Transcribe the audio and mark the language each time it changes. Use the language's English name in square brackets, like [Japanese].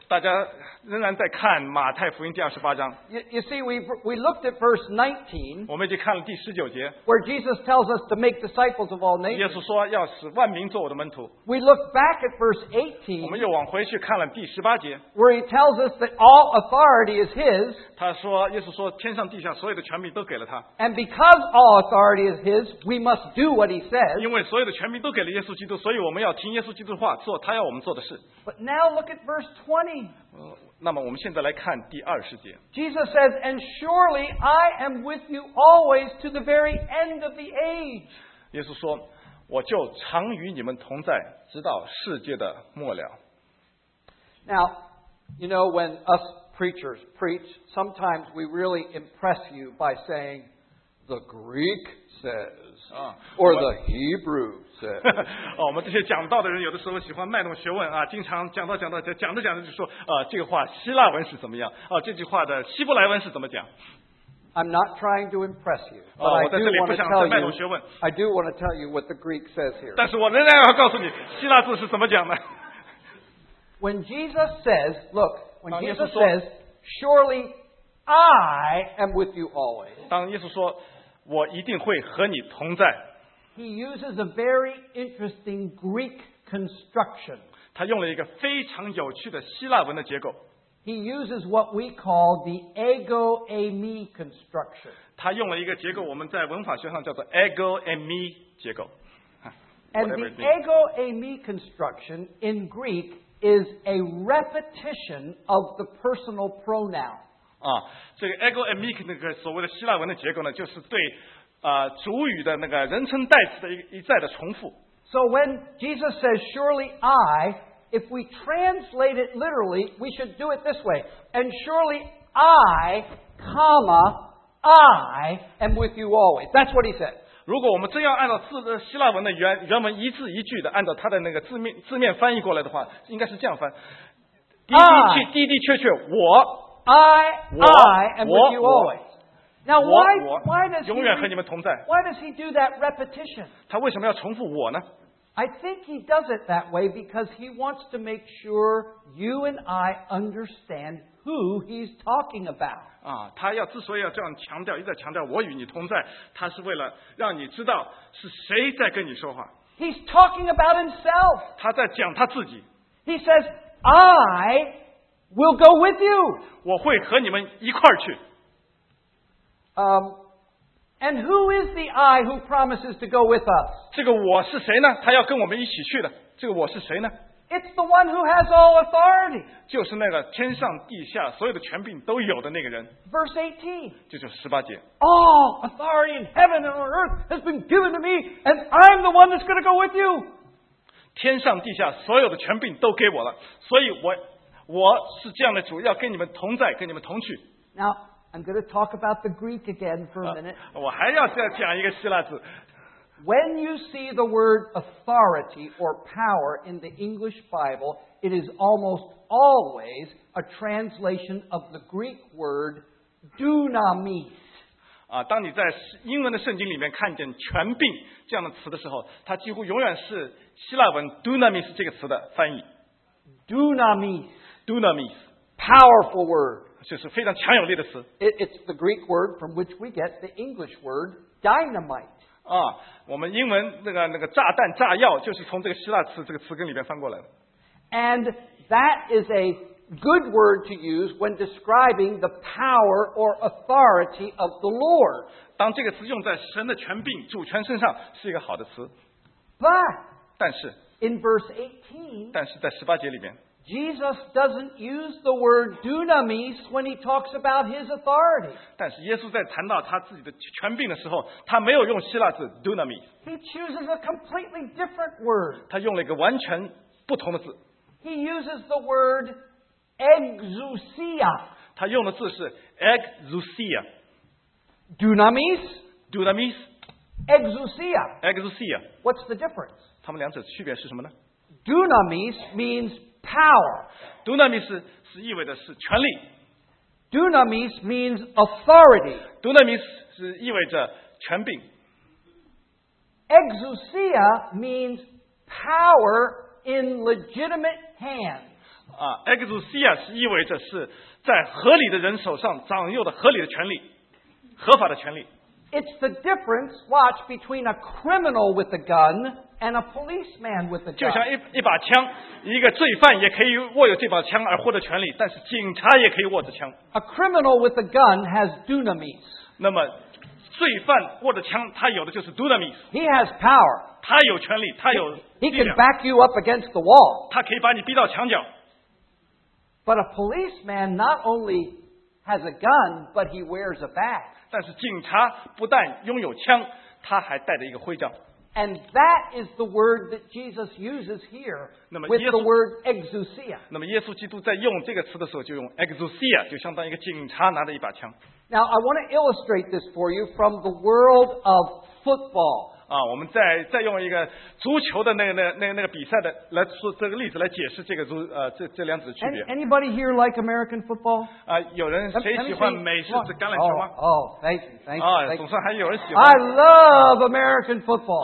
[Chinese] 大家仍然在看马太福音第二十八章。 [English] You see, we looked at verse 19. [Chinese] 我们已经看了第十九节。 [English] Where Jesus tells us to make disciples of all nations. [Chinese] 耶稣说要使万民做我的门徒。 [English] We looked back at verse 18. [Chinese] 我们又往回去看了第十八节。 [English] Where he tells us that all authority is his. [Chinese] 他说，耶稣说天上地下所有的权柄都给了他。 [English] And because all authority is his, we must do what he says. [Chinese] 因为所有的权柄都给了耶稣基督，所以我们要听耶稣基督的话，做他要我们做的事。 [English] But now look at verse 20. [Chinese] 那么我们现在来看第二十节。 [English] Jesus says, "And surely I am with you always to the very end of the age." [Chinese] 耶稣说，我就常与你们同在，直到世界的末了。 [English] Now, you know, when us preachers preach, sometimes we really impress you by saying, "The Greek says," or "The Hebrew says." [Chinese] 我们这些讲道的人有的时候喜欢卖弄学问啊，经常讲着讲着就说，这个话希腊文是怎么样？这句话的希伯来文是怎么讲？ [English] I'm not trying to impress you, but I do want to tell you. I do want to tell you what the Greek says here. [Chinese] 但是我仍然要告诉你，希腊字是怎么讲的。 [English] When Jesus says, "Look," when Jesus says, "Surely I am with you always." [Chinese] 当耶稣说，我一定会和你同在。 [English] He uses a very interesting Greek construction. [Chinese] 他用了一个非常有趣的希腊文的结构。 [English] He uses what we call the ego a me construction. [Chinese] 他用了一个结构，我们在文法学上叫做 ego a me 结构。 [English] And the ego a me construction in Greek is a repetition of the personal pronoun. [Chinese] 啊，这个 ego a me 那个所谓的希腊文的结构呢，就是对啊主语的那个人称代词的一再的重复。 [English] So when Jesus says, "Surely I," if we translate it literally, we should do it this way. And surely I, comma, I am with you always. That's what he said. [Chinese] 如果我们真要按照希腊文的原文一字一句的，按照它的那个字面翻译过来的话，应该是这样翻。滴滴确确，我。 [English] I, [Chinese] 我 [English] I am with you always. Now why does he? [Chinese] 永远和你们同在。 [English] Why does he do that repetition? [Chinese] 他为什么要重复我呢？ [English] I think he does it that way because he wants to make sure you and I understand who he's talking about. [Chinese] 啊，他要之所以要这样强调，一再强调我与你同在，他是为了让你知道是谁在跟你说话。 [English] He's talking about himself. [Chinese] 他在讲他自己。 [English] He says, "I will go with you." [Chinese] 我会和你们一块儿去。 [English] And who is the I who promises to go with us? [Chinese] 这个我是谁呢？他要跟我们一起去的。这个我是谁呢？ [English] It's the one who has all authority. [Chinese] 就是那个天上地下所有的权柄都有的那个人。 [English] Verse 18. [Chinese] 这就是十八节。 [English] All authority in heaven and on earth has been given to me, and I'm the one that's going to go with you. [Chinese] 天上地下所有的权柄都给我了，所以我是这样的主，要跟你们同在，跟你们同去。 [English] Now. I'm going to talk about the Greek again for a minute. [Chinese] 我还要再讲一个希腊字。 [English] When you see the word authority or power in the English Bible, it is almost always a translation of the Greek word dunamis. [Chinese] 啊，当你在英文的圣经里面看见权柄这样的词的时候，它几乎永远是希腊文 dunamis 这个词的翻译。 [English] Dunamis. Dunamis. Powerful word. [Chinese] 就是非常强有力的词。 [English] It's the Greek word from which we get the English word dynamite. [Chinese] 啊，我们英文那个炸弹、炸药，就是从这个希腊词这个词根里边翻过来的。 [English] And that is a good word to use when describing the power or authority of the Lord. [Chinese] 当这个词用在神的权柄、主权身上，是一个好的词。 [English] But [Chinese] 但是 [English] in verse 18, [Chinese] 但是在十八节里面。 [English] Jesus doesn't use the word dunamis when he talks about his authority. [Chinese] 但是耶稣在谈到他自己的权柄的时候，他没有用希腊字 dunamis. [English] He chooses a completely different word. [Chinese] 他用了一个完全不同的字。 [English] He uses the word exousia. [Chinese] 他用的字是 exousia. [English] Dunamis? Dunamis. Exousia. Exousia. What's the difference? [Chinese] 他们两者区别是什么呢？ [English] Dunamis means power. [Chinese] Dunamis 是意味着是权力。 [English] Dunamis means authority. [Chinese] Dunamis 是意味着权柄。 [English] Exousia means power in legitimate hands. [Chinese] Exousia 是意味着是在合理的人手上掌握的合理的权力，合法的权力。 [English] It's the difference, watch, between a criminal with a gun and a policeman with a gun. [Chinese] 就像一把枪，一个罪犯也可以握有这把枪而获得权利，但是警察也可以握着枪。 [English] A criminal with a gun has dunamis. [Chinese] 那么罪犯握着枪，他有的就是 dunamis. [English] He has power. [Chinese] 他有权利，他有力量。 [English] He can back you up against the wall. [Chinese] 他可以把你逼到墙角。 [English] But a policeman not only has a gun, but he wears a badge. [Chinese] 但是警察不但拥有枪，他还带着一个徽章。 [English] And that is the word that Jesus uses here with the word exousia. [Chinese] 那么耶稣基督在用这个词的时候，就用 exousia， 就相当于一个警察拿着一把枪。 [English] Now I want to illustrate this for you from the world of football. [Chinese] 啊，我们再用一个足球的那个比赛的来说这个例子来解释这个这两者的区别。 [English] Anybody here like American football？ [Chinese] 啊，有人谁喜欢美式的橄榄球吗？ [English] Thank you. [Chinese] 啊，总算还有人喜欢。 [English] I love American football。